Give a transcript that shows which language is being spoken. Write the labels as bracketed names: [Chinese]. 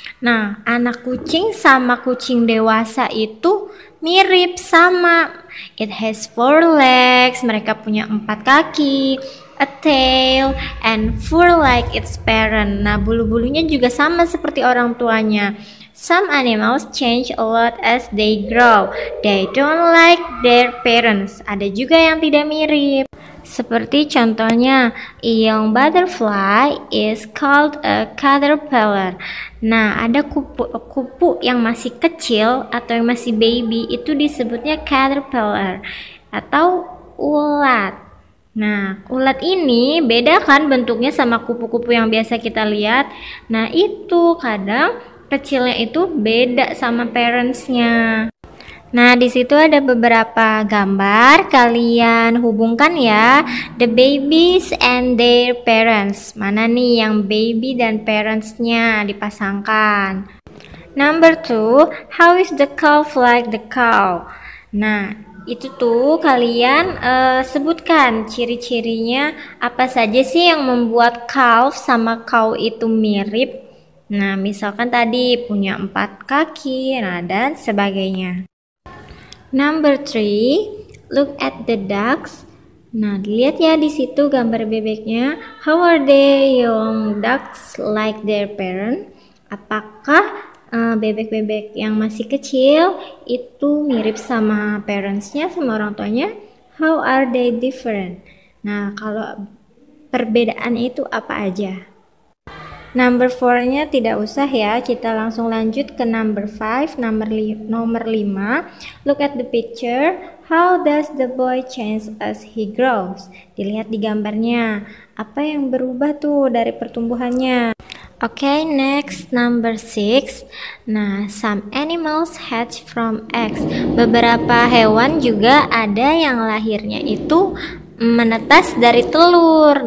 [Indonesian] Nah, anak kucing sama kucing dewasa itu mirip, sama. [English] It has four legs, [Indonesian] mereka punya empat kaki. [English] a tail and fur like its parent. [Indonesian] Nah, bulu-bulunya juga sama seperti orang tuanya. [English] Some animals change a lot as they grow. They don't like their parents. [Indonesian] Ada juga yang tidak mirip. Seperti contohnya, [English] a young butterfly is called a caterpillar. [Indonesian] Nah, ada kupu-kupu yang masih kecil atau yang masih baby itu disebutnya caterpillar atau ulat. Nah, ulat ini beda kan bentuknya sama kupu-kupu yang biasa kita lihat. Nah, itu kadang kecilnya itu beda sama parentsnya. Nah, di situ ada beberapa gambar. Kalian hubungkan ya, [English] the babies and their parents. [Indonesian] Mana nih yang baby dan parentsnya dipasangkan? [English] Number two, how is the calf like the cow? [Indonesian] Nah, itu tuh kalian sebutkan ciri-cirinya apa saja sih yang membuat calf sama cow itu mirip. Nah, misalkan tadi punya empat kaki, nah, dan sebagainya. [English] Number three, look at the ducks. [Indonesian] Nah, lihat ya di situ gambar bebeknya. [English] How are the young ducks like their parent? [Indonesian] Apakah bebek-bebek yang masih kecil itu mirip sama parentsnya, sama orang tuanya? [English] How are they different? [Indonesian] Nah, kalau perbedaan itu apa aja? Number 4-nya tidak usah ya, kita langsung lanjut ke number 5, nomor 5. [English] Look at the picture, how does the boy change as he grows? [Indonesian] Dilihat di gambarnya, apa yang berubah tuh dari pertumbuhannya? [English] Okay, next number 6. Nah, some animals hatch from eggs. [Indonesian] Beberapa hewan juga ada yang lahirnya itu menetas dari telur.